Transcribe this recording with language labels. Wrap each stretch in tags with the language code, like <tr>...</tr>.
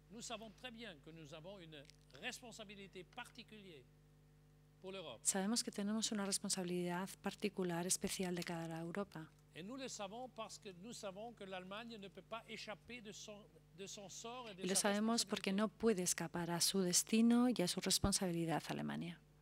<fr>nous savons très bien que nous avons une responsabilité particulière pour l'Europe.</fr> <es>Sabemos que tenemos una responsabilidad particular, especial de cara a Europa.</es> <fr>Et nous le savons parce que nous savons que l'Allemagne ne peut pas échapper de son sort et de sa.</fr> <es>Lo sabemos porque no puede escapar a su destino y a su responsabilidad Alemania.</es>